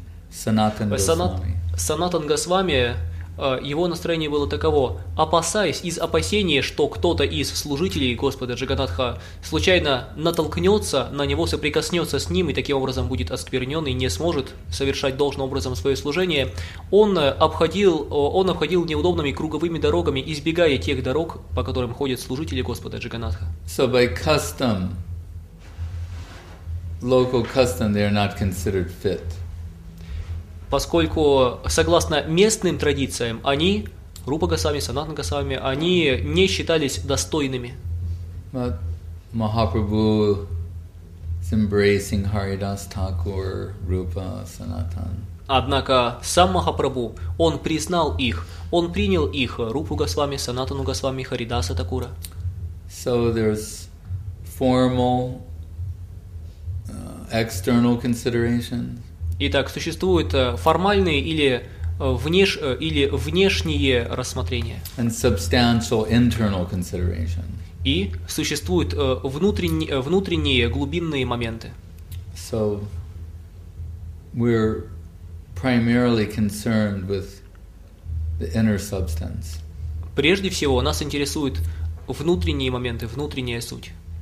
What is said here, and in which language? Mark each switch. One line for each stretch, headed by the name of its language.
Russian: Санатан Госвами, его настроение было таково: опасаясь, из опасения, что кто-то из служителей Господа Джаганнатха случайно натолкнется на него, соприкоснется с ним и таким образом будет осквернен и не сможет совершать должным образом свое служение, он обходил неудобными круговыми дорогами, избегая тех дорог, по которым ходят служители Господа Джаганнатха.
English: So by custom, local custom, they are not considered fit.
Russian: Поскольку, согласно местным традициям, они, Рупа Госвами, Санатан Госвами, они не считались достойными.
English: Махапрабху is embracing Haridas Thakur, Rupa, Sanatan.
Russian: Однако сам Махапрабху, он признал их, он принял их, Рупу Госвами, Санатану Госвами, Харидаса Такура.
English: So there's formal, external considerations.
Russian: Итак, существуют формальные или, или внешние рассмотрения.
English: And substantial internal consideration.
Russian: И существуют внутренние глубинные моменты.
English: So we're primarily concerned with the inner substance.
Russian: Прежде всего, нас интересуют внутренние моменты, внутренняя суть.